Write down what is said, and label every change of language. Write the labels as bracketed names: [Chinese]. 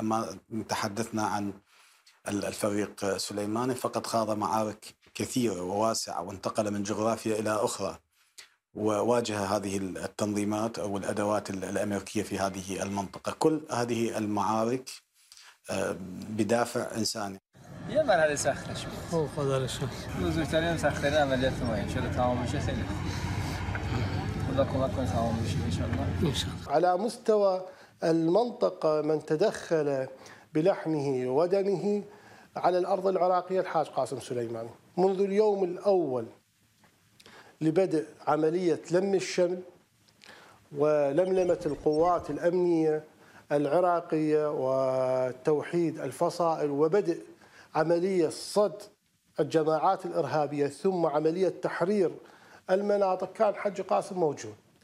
[Arabic] أما تحدثنا عن الفريق سليماني فقد خاض معارك كثيرة وواسعة وانتقل من جغرافيا إلى أخرى وواجه هذه التنظيمات أو الأدوات الأمريكية في هذه المنطقة. كل هذه المعارك بدافع إنساني. [Persian] یه مرحله سختش بود. او خدا رو شکر. بزرگترین و سخت‌ترین عملیات ما این شده تمام میشه خیلی خوب. خدا کمک کنه تمام بشه ان شاء الله. ان شاء الله. [Arabic] على مستوى المنطقة من تدخل بلحمه ودمه على الأرض العراقية الحاج قاسم سليماني منذ اليوم الأول لبدء عملية لم الشمل ولملمة القوات الأمنية العراقية وتوحيد الفصائل وبدء عملية صد الجماعات الإرهابية ثم عملية تحرير المناطق كان حج قاسم موجود.